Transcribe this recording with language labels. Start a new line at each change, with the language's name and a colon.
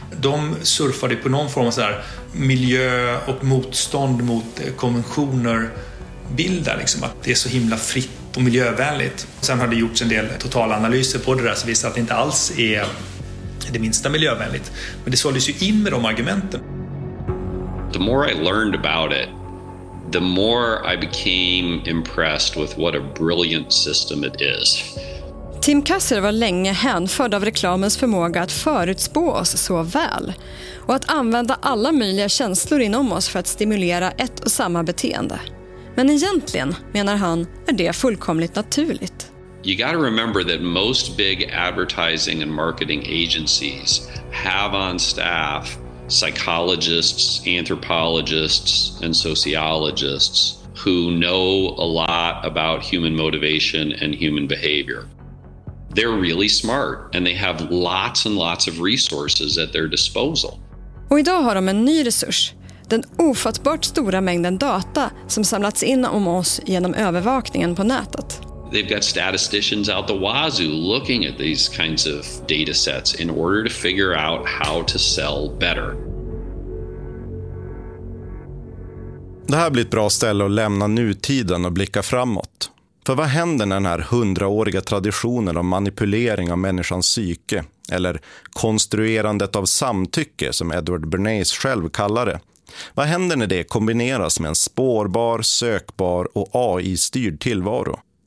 Swedish: De surfade på någon form av så här miljö och motstånd mot konventioner bildar. Liksom, att det är så himla fritt och miljövänligt. Sen har det gjorts en del totalanalyser på det där som visar att det inte alls är det minsta miljövänligt. Men det såldes ju in med de argumenten.
English: The more I learned about it, the more I became impressed with what a brilliant system it is.
Swedish: Tim Kasser var länge hänförd av reklamens förmåga att förutspå oss så väl och att använda alla möjliga känslor inom oss för att stimulera ett och samma beteende. Men egentligen, menar han, är det fullkomligt naturligt.
English: You got to remember that most big advertising and marketing agencies have on staff psychologists, anthropologists, and sociologists who know a lot about human motivation and human behavior. They're really smart and they have lots and lots of resources at their disposal.
Swedish: Och idag har de en ny resurs, den ofattbart stora mängden data som samlats in om oss genom övervakningen på nätet.
English: They've got statisticians out the wazoo looking at these kinds of data sets in order to figure out how to sell better.
Swedish: Det här blir ett bra ställe att lämna nutiden och blicka framåt. För vad händer när den här hundraåriga traditionen av manipulering av människans psyke, eller konstruerandet av samtycke som Edward Bernays själv kallar det, vad händer när det kombineras med en spårbar, sökbar och AI-styrd tillvaro?